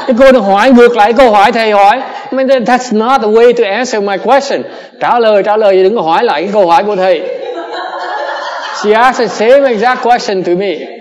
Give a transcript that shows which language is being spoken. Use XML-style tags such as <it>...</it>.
<vi>Cô đã hỏi ngược lại câu hỏi thầy hỏi.</vi> <en>I mean, that's not the way to answer my question.</en> <vi>Trả lời, đừng có hỏi lại cái câu hỏi của thầy.</vi> <en>She asked the same exact question to me.</en>